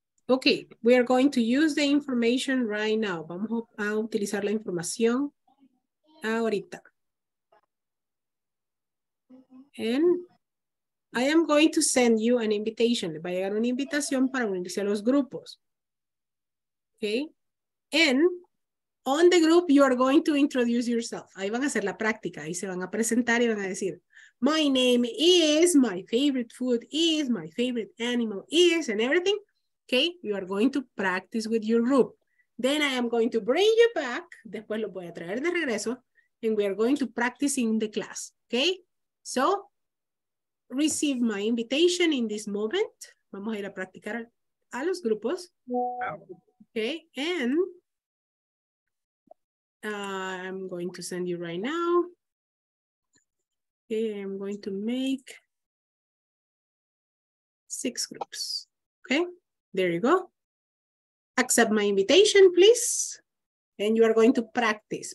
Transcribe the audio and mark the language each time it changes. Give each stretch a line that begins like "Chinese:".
English: Okay, we are going to use the information right now.
Spanish: Vamos a utilizar la información ahorita.
English: And I am going to send you an invitation.
Spanish: Le va a llegar una invitación para unirse a los grupos.
English: Okay, and on the group you are going to introduce yourself.
Spanish: Ahí van a hacer la práctica, ahí se van a presentar y van a decir,
English: my name is, my favorite food is, my favorite animal is, and everything. Okay, you are going to practice with your group. Then I am going to bring you back.
Spanish: Después lo voy a traer de regreso.
English: And we are going to practice in the class. Okay, so receive my invitation in this moment.
Spanish: Vamos a ir a practicar a los grupos.
English: Okay, and I'm going to send you right now. Okay, I'm going to make 6 groups. Okay. There you go. Accept my invitation, please. And you are going to practice.